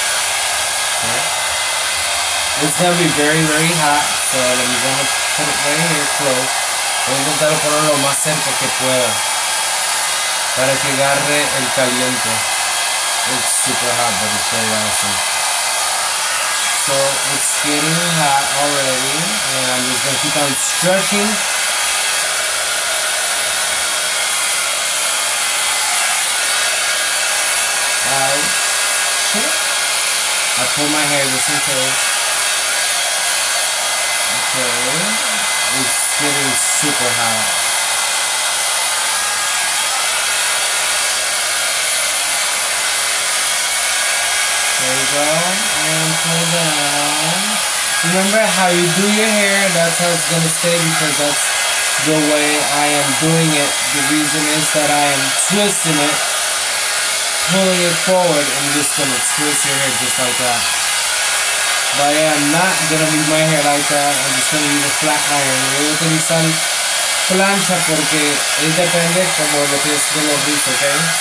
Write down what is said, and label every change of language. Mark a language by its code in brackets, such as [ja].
[en] Okay. It's gonna be very, very hot, so I'm gonna put it right here close. [es] Voy a intentar ponerlo lo más cerca que pueda para que agarre el caliente. [en] It's super hot, but it's very awesome. So it's getting hot already, and I'm just gonna keep on stretching. I pull my hair just in case. Okay. It's getting super hot. There you go. And pull down. Remember how you do your hair, that's how it's gonna stay, because that's the way I am doing it. The reason is that I am twisting it, pulling it forward, and just gonna twist your hair just like that. But yeah, I'm not gonna leave my hair like that. I'm just gonna use a flat iron. [es] Voy a utilizar plancha porque it depende como lo que es de los rizos, okay?